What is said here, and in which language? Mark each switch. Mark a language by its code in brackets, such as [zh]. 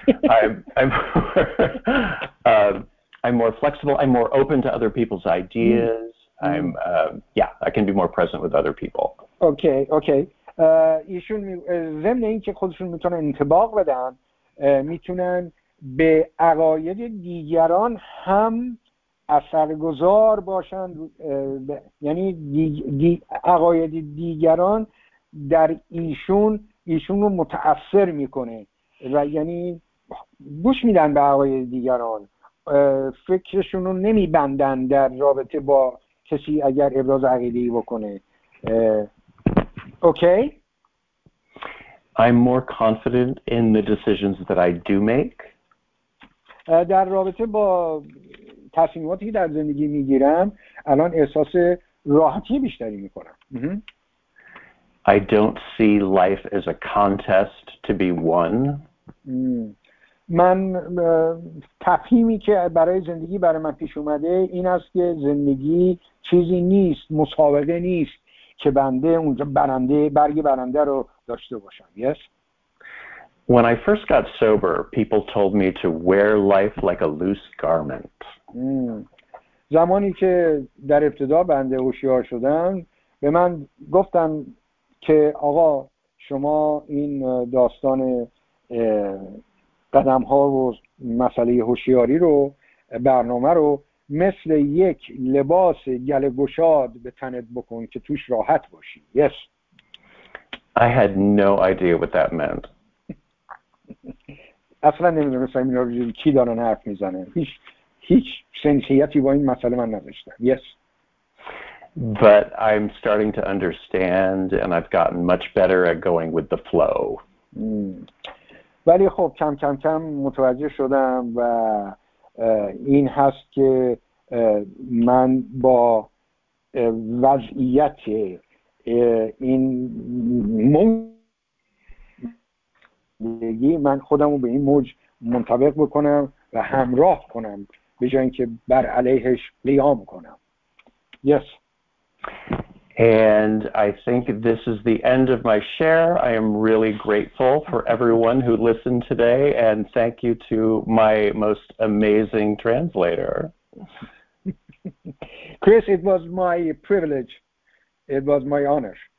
[en] I'm more flexible, I'm more open to other people's ideas. I can be more present with other people. Okay. [fa] ایشون ضمن اینکه خودشون میتونن انطباق بدن، میتونن به عقاید دیگران هم اثرگذار باشن، یعنی عقاید دیگران در ایشون رو متاثر میکنه. و یعنی گوش میدن به عقاید دیگران، فکرشون رو نمی بندن در رابطه با کسی اگر ابراز عقیده‌ای بکنه. [en] Okay. I'm more confident in the decisions that I do make. [fa] در رابطه با تصمیماتی که در زندگی میگیرم الان احساس راحتی بیشتری میکنم. [en] I don't see life as a contest to be won. [fa] من تفهیمی که برای زندگی برای من پیش اومده این است که زندگی چیزی نیست، مسابقه نیست که بنده اونجا برنده برگ برنده رو داشته باشم. [en] Yes. When I first got sober, people told me to wear life like a loose garment. [fa] زمانی که در ابتدا بنده هوشیار شدم به من گفتن که آقا شما این داستان قدم ها و مسئله هوشیاری رو برنامه رو مثل یک لباس گله گشاد به تنت بکن که توش راحت باشی. [en] Yes. I had no idea what that meant. [fa] اصلا نمیدونستم این رو کی دارن حرف میزنه. هیچ سنسیتی با این مسئله من نداشتم. [en] Yes. But I'm starting to understand and I've gotten much better at going with the flow. [fa] ولی خب کم کم کم متوجه شدم و این هست که من با وضعیت این موجی من خودم رو به این موج منطبق بکنم و همراه کنم به جای اینکه بر علیهش قیام کنم. [en] Yes. And I think this is the end of my share. I am really grateful for everyone who listened today, and thank you to my most amazing translator. Chris, it was my privilege. It was my honor.